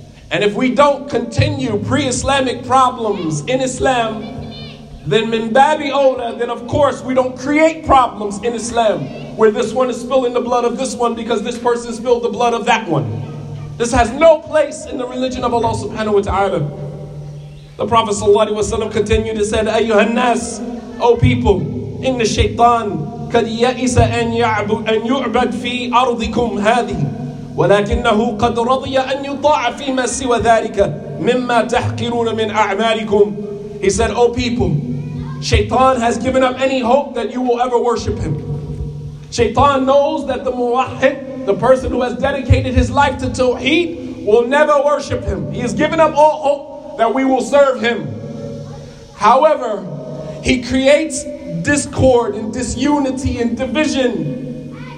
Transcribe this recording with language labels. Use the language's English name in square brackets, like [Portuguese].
[English] And if we don't continue pre-Islamic problems in Islam, then min babi ola, then of course we don't create problems in Islam where this one is spilling the blood of this one because this person spilled the blood of that one. This has no place in the religion of Allah subhanahu wa ta'ala. The Prophet sallallahu alaihi wasallam continued to say, ayyuhan nas, O people, inna shaytan [Arabic] قد يئس أن يعبد أن يعبد في أرضكم هذه ولكنه قد رضي أن يطاع فيما سوى ذلك مما تحقرون من أعمالكم. [English] He said, O people, Shaytan has given up any hope that you will ever worship him. Shaytan knows that the muwahhid, the person who has dedicated his life to tawheed, will never worship him. He has given up all hope that we will serve him. However, he creates discord and disunity and division.